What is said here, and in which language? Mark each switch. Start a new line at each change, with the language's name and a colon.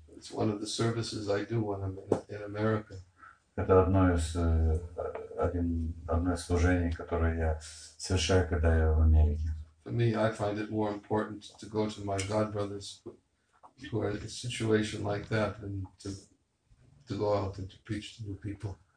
English: It's one of the services I do when I'm in America.
Russian: Это одно из служений, которое я совершаю, когда я в Америке.
English: For me, I find it more important to go to my God brothers who are in a situation like that than to go out and to preach to new people.